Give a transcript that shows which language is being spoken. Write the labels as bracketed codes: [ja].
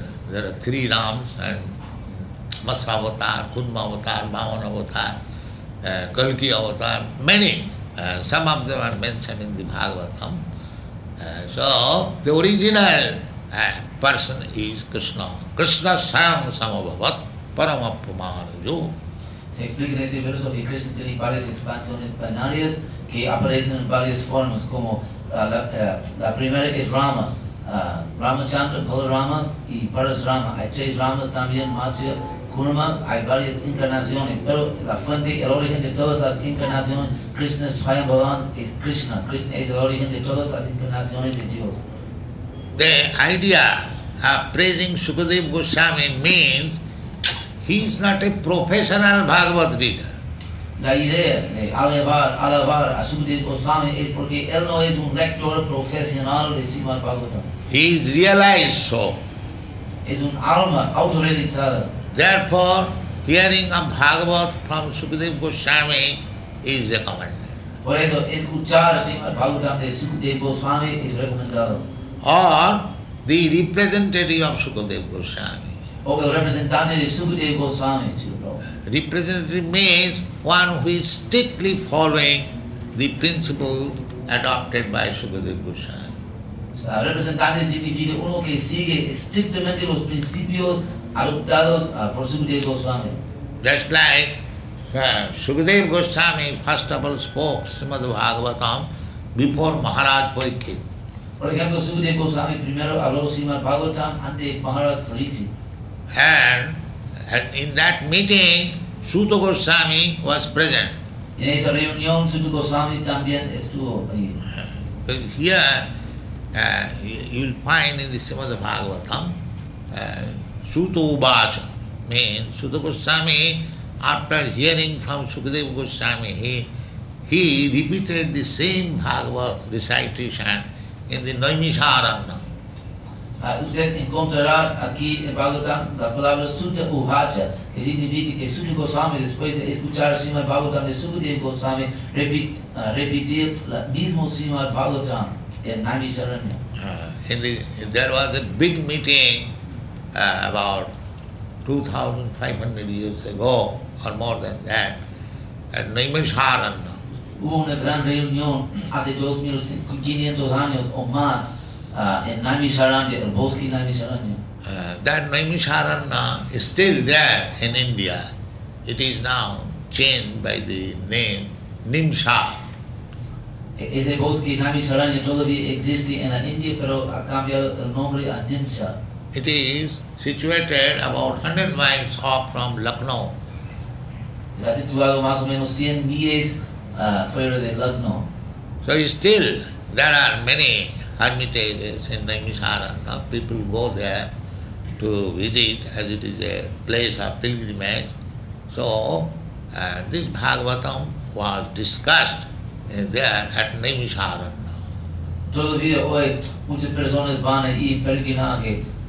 [en] There are three Rams, and Matsya Avatar, Kudma Avatar, Bhavana Avatar, Kalki Avatar, many. Some of them are mentioned in the Bhagavatam. So the original person is Krishna. [sa] Krishna Sam Samabhavat Paramapumanujo. [es] Se explica en ese verso que Krishna tiene varias expansiones planarias que aparecen en varias formas, como la primera es Rama, Ramachandra, Balarama y Parasrama. Hay tres Ramas también, Matsya, Kurma, hay varias encarnaciones, pero la fuente, el origen de todas las encarnaciones, Krishna Swayam Bhavan, es Krishna. Krishna es el origen de todas las encarnaciones de Dios. [en] The idea of praising Sukadeva Goswami means he is not a professional Bhagavad reader. [es] La idea de alabar a Sukadeva Goswami es porque él no es un lector profesional de Srimad Bhagavatam. [en] He is realized so. [es] Es un alma autorrealizada. [en] Therefore, hearing a Bhagavat from Sukadeva Goswami is recommended. [es] Por eso, escuchar Srimad Bhagavatam de Sukadeva Goswami es recomendado. [en] Or the representative of Sukadeva Goswami. Oh, the representative of Sukadeva Goswami. Representative means one who is strictly following the principle adopted by Sukadeva Goswami. [es] Representative significa uno que sigue estrictamente los principios adoptados por Sukadeva Goswami. [en] Just like Sukadeva Goswami first of all spoke Srimad Bhagavatam before Maharaj Parikshit. [es] Por ejemplo, Sukadeva Goswami primero habló Srimad Bhagavatam ante Maharaj Parikshit. [en] And in that meeting, Suta Goswami was present. [es] En esa reunión, Suta Goswami también estuvo allí. [en] Here, you will find in the Srimad Bhagavatam, Suta Uvacha means Suta Goswami, after hearing from Sukadeva Goswami, he repeated the same Bhagavat recitation in the Naimisharanya. [es] Usted encontrará aquí en Bhagavatam la palabra Suta Uvacha, que significa que Suta Goswami, después de escuchar Srimad Bhagavatam de Sukadeva Goswami, repitió el mismo Srimad Bhagavatam en Naimisharanya. [en] There was a big meeting about 2500 years ago, or more than that, at Naimisharanya. [es] Hubo una gran reunión hace 2500 años o más en Naimisharanya, el bosque Naimisharanya. [en] That Naimisharanya is still there in India. It is now changed by the name Nimsha. [es] Ese bosque Naimisharanya todavía existe en India, pero ha cambiado el nombre a Nimsha. [en] It is situated about 100 miles off from Lucknow. [es] Está situado más o menos 100 miles fuera de Lucknow. [en] So still there are many hermitages in Naimisharanya. People go there to visit, as it is a place of pilgrimage. So this Bhagavatam was discussed there at Naimisharanya. [es] Todavía hoy muchas personas van ahí en pilgrimaje.